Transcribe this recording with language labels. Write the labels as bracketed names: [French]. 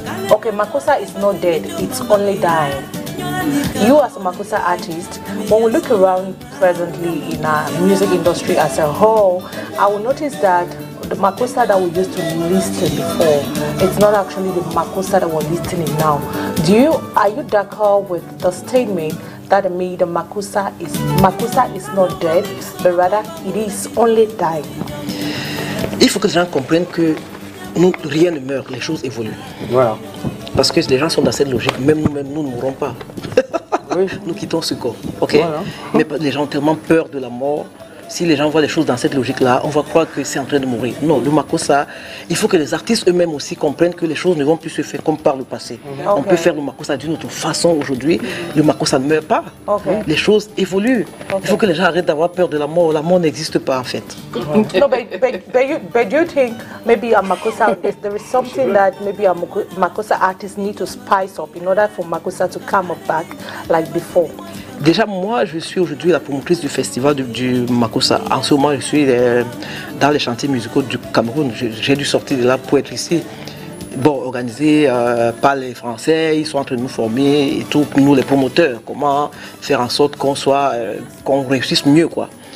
[English] Okay, Makosa is not dead, it's only dying. You as a Makosa artist, when we look around presently in our music industry as a whole, I will notice that the Makosa that we used to listen before, it's not actually the Makosa that we're listening now. Are you d'accord with the statement that made the Makosa is not dead, but rather it is only dying? [French] Il faut que les gens comprennent que nous, rien ne meurt, les choses évoluent. Voilà. Parce que les gens sont dans cette logique, même nous-mêmes, nous ne mourrons pas. Nous quittons ce corps. Okay? Voilà. Mais les gens ont tellement peur de la mort. Si les gens voient les choses dans cette logique-là, on va croire que c'est en train de mourir. Non, le Makosa, il faut que les artistes eux-mêmes aussi comprennent que les choses ne vont plus se faire comme par le passé. Okay. On peut faire le Makosa d'une autre façon aujourd'hui. Le Makosa ne meurt pas. Okay. Les choses évoluent. Okay. Il faut que les gens arrêtent d'avoir peur de la mort. La mort n'existe pas en fait. [English] Non, but do you think maybe a Makosa, there is something that maybe a Makosa artist need to spice up in order for Makosa to come back like before? [French] Déjà, moi, je suis aujourd'hui la promotrice du festival du Makosa. En ce moment, je suis dans les chantiers musicaux du Cameroun. J'ai dû sortir de là pour être ici. Bon, organisé par les Français, ils sont en train de nous former et tout, nous les promoteurs. Comment faire en sorte qu'on soit, qu'on réussisse mieux, quoi.